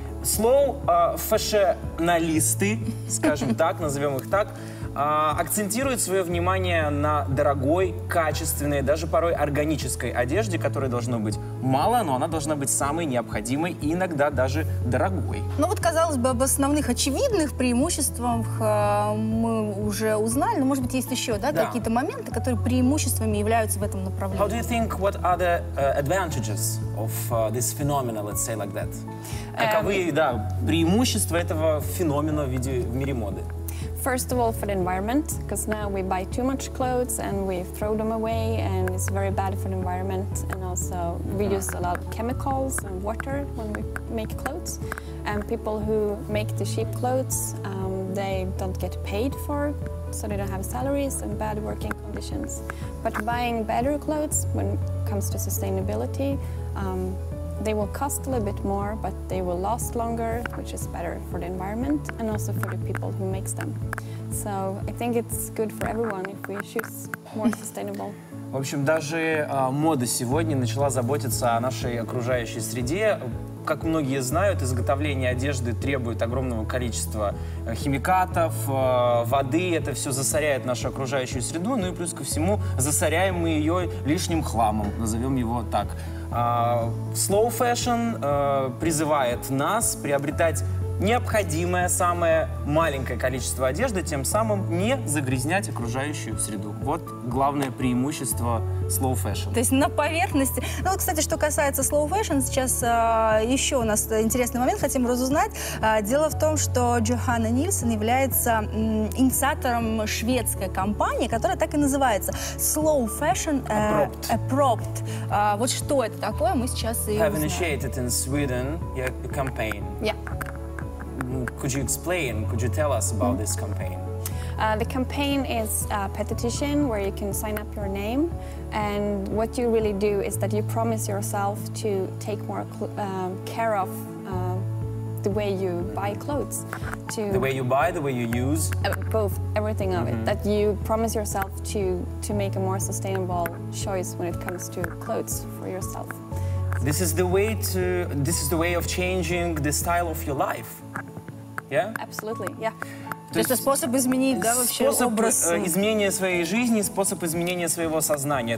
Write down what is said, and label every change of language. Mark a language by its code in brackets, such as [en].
[ru] Slow fashionalisты, скажем так, назовем их так, акцентирует свое внимание на дорогой, качественной, даже порой органической одежде, которой должно быть мало, но она должна быть самой необходимой и иногда даже дорогой. Ну вот, казалось бы, об основных очевидных преимуществах мы уже узнали, но, может быть, есть еще, да, какие-то моменты, которые преимуществами являются в этом направлении. [en] How do you think, what are the advantages of this phenomenon, let's say like that? [ru] Каковы, преимущества этого феномена в виде, в мире моды? [en] First of all, for the environment, because now we buy too much clothes and we throw them away, and it's very bad for the environment. And also, we use a lot of chemicals and water when we make clothes. And people who make the cheap clothes, they don't get paid for, so they don't have salaries and bad working conditions. But buying better clothes, when it comes to sustainability, they will cost a little bit more, but they will last longer, which is better for the environment and also for the people who makes them. So I think it's good for everyone if we choose more sustainable. [ru] В общем, даже мода сегодня начала заботиться о нашей окружающей среде. Как многие знают, изготовление одежды требует огромного количества химикатов, воды. Это все засоряет нашу окружающую среду. Ну и плюс ко всему, засоряем мы ее лишним хламом, назовем его так. Slow fashion призывает нас приобретать необходимое самое маленькое количество одежды, тем самым не загрязнять окружающую среду. Вот главное преимущество slow fashion. То есть на поверхности. Ну, кстати, что касается slow fashion, сейчас еще у нас интересный момент, хотим разузнать. Дело в том, что Йоханна Нильссон является инициатором шведской компании, которая так и называется slow fashion [en] abroad. [ru] Вот что это такое, мы сейчас и [en] have initiated in Sweden your campaign. Yeah. Could you explain, could you tell us about this campaign? The campaign is a petition where you can sign up your name, and what you really do is that you promise yourself to take more care of the way you buy clothes. The way you buy, the way you use? Both, everything of it. That you promise yourself to make a more sustainable choice when it comes to clothes for yourself. This is the way to, this is the way of changing the style of your life. Yeah? Absolutely, yeah. [ru] То есть это способ изменить, да, вообще способ образ? Способ изменения своей жизни, способ изменения своего сознания.